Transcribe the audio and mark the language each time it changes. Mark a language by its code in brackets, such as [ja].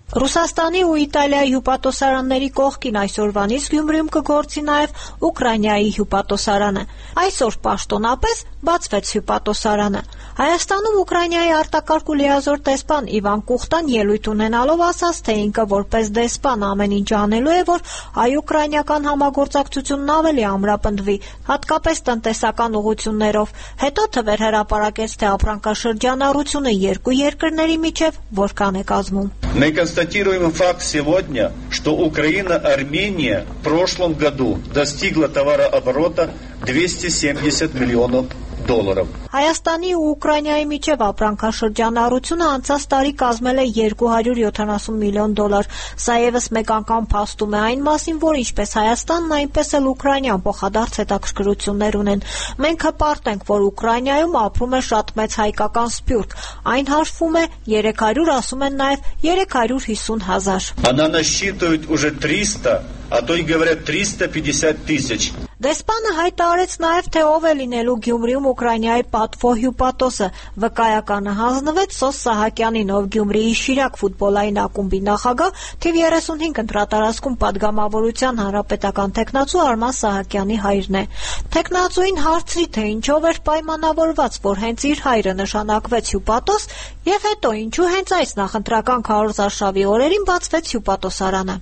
[hy] Ռուսաստանի ու Իտալիայի հյուպատոսարանների կողքին այսօրվանից Գյումրիում կգործի նաև Ուկրաինայի հյուպատոսարանը։ Այսօր պաշտոնապես բացվեց հյուպատոսարանը։ Հայաստանում Ուկրաինայի արտակարգ ու լիազոր դեսպան Իվան Կուխտան ելույթ ունենալով ասաց, թե ինքը որպես դեսպան ամեն ինչ անելու է, որ հայ-ուկրաինական համագործակցությունն ավելի ամրապնդվի, հատկապես տնտեսական ուղղություններով։ Հետո թվեր հրապարակեց, թե ապրանքաշրջանառությունը երկու երկրների միջև որքան է կազմում։ [ru] Мы констатируем факт сегодня, что Украина-Армения в прошлом году достигла товарооборота 270 миллионов долларов. [hy] Հայաստանի ու Ուկրաինայի միջև ապրանքաշրջանառությունը անցած տարի կազմել է 270 միլիոն դոլար։ Սա ևս մեկ անգամ փաստում է այն մասին, որ ինչպես Հայաստանն, այնպես էլ Ուկրաինան փոխադարձ հետաքրքրություններ ունեն։ Մենք հպարտ ենք, որ Ուկրաինայում ապրում է շատ մեծ հայկական սփյուռք։ Այն հաշվում է 300, ասում են նաև 350,000. [ru] Она насчитывает уже 300, а то и говорят 350 тысяч. [hy] Դեսպանը հայտարարեց նաև, թե ով է լինելու Գյումրիում Ուկրաինայի պատվո հյուպատոսը։ Վկայականը հանձնվեց Սոս Սահակյանին, ով Գյումրիի Շիրակ ֆուտբոլային ակումբի նախագահ, թիվ 35 ընտրատարածքում падգամավորության հանրապետական տեխնացու Արման Սահակյանի հայրն է։ Տեխնացուին հարցրի, թե ինչով էր պայմանավորված, որ հենց իր հայրը նշանակվեց հյուպատոս, և հետո ինչու հենց այս նախընտրական քարոզարշավի օրերին բացվեց հյուպատոսարանը։